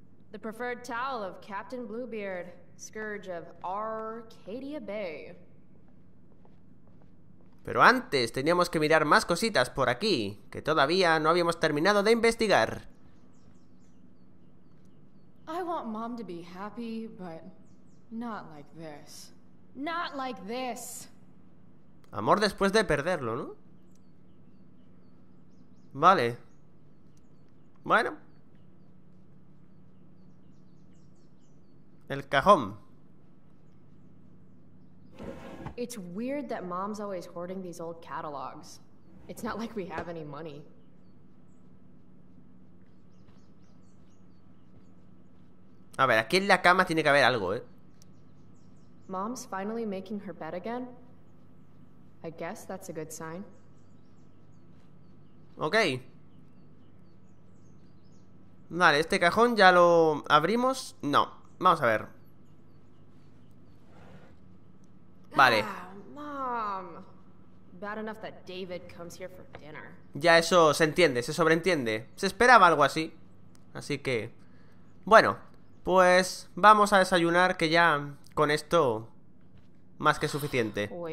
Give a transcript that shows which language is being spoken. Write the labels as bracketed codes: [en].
[en] The preferred towel of Captain Bluebeard, scourge of Arcadia Bay. [es] Pero antes teníamos que mirar más cositas por aquí, que todavía no habíamos terminado de investigar. [en] I want mom to be happy, but not like this. Not like this. [es] Amor después de perderlo, ¿no? Vale. Bueno. El cajón. [en] It's weird that mom's always hoarding these old catalogs. It's not like we have any money. [es] A ver, aquí en la cama tiene que haber algo, ¿eh? [en] Mom's finally making her bed again. I guess that's a good sign. Okay. [es] Vale, este cajón ya lo abrimos. No, vamos a ver. Vale. [en] Mom. Bad enough that David comes here for dinner. [es] Ya eso se entiende, se sobreentiende. Se esperaba algo así. Así que bueno, pues vamos a desayunar que ya con esto más que suficiente.